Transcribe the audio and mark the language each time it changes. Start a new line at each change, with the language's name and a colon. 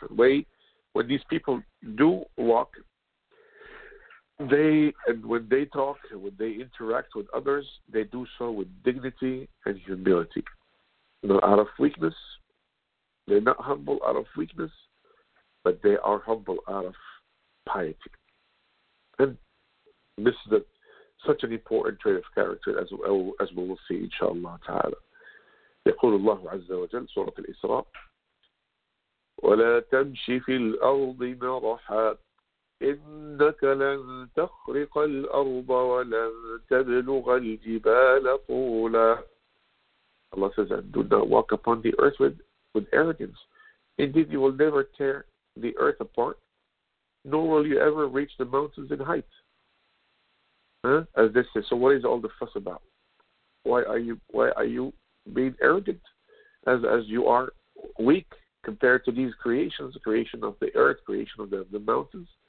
English: And when these people do walk, when they talk, when they interact with others, they do so with dignity and humility. Not out of weakness. They're not humble out of weakness, but they are humble out of piety. And this is such an important trait of character, as we will see, inshallah ta'ala.
Arabic: يقول الله عز وجل, Surah Al-Isra, وَلَا تَمْشِي فِي الْأَرْضِ مَرَحًا إنك لن تخرق الأرض ولن تبلغ الجبال طولا.
English: Allah says, and do not walk upon the earth with arrogance. Indeed, you will never tear the earth apart, nor will you ever reach the mountains in height. As this is, so what is all the fuss about? Why are you being arrogant, as you are weak compared to these creations, the creation of the earth, creation of the mountains?